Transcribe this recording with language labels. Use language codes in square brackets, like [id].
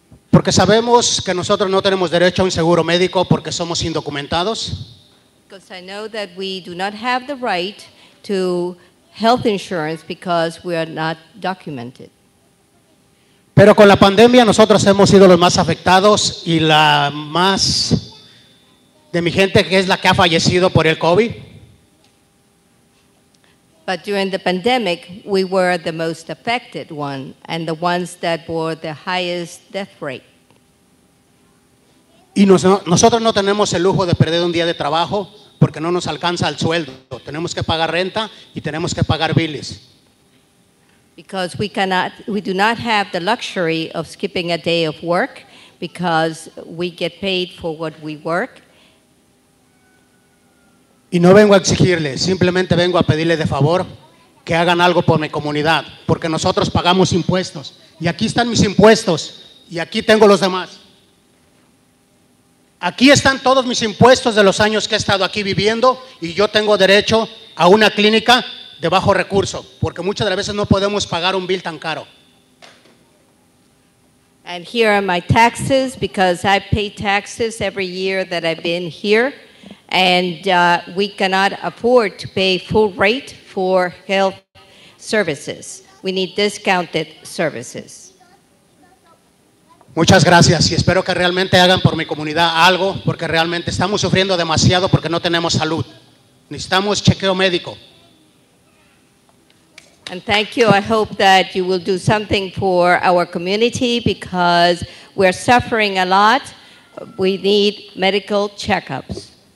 [es] Porque sabemos que nosotros no tenemos derecho a un seguro médico porque somos indocumentados. [en] Because I know that we do not have the right to health insurance because we are not documented. [es] Pero con la pandemia nosotros hemos sido los más afectados y la más de mi gente que es la que ha fallecido por el COVID. [en] But during the pandemic, we were the most affected one and the ones that bore the highest death rate. [es] Y nosotros no tenemos el lujo de perder un día de trabajo porque no nos alcanza el sueldo. Tenemos que pagar renta y tenemos que pagar biles. [en] Because we do not have the luxury of skipping a day of work because we get paid for what we work. [es] Y no vengo a exigirle, simplemente vengo a pedirle de favor que hagan algo por mi comunidad, porque nosotros pagamos impuestos. Y aquí están mis impuestos, y aquí tengo los demás. Aquí están todos mis impuestos de los años que he estado aquí viviendo, y yo tengo derecho a una clínica de bajo recurso, porque muchas de las veces no podemos pagar un bill tan caro. [en] And here are my taxes, because I pay taxes every year that I've been here. And we cannot afford to pay full rate for health services. We need discounted services. [es] Muchas gracias. Y espero que realmente hagan por mi comunidad algo, porque realmente estamos sufriendo demasiado porque no tenemos salud. Necesitamos chequeo médico. [en] And thank you. I hope that you will do something for our community because we're suffering a lot. We need medical checkups.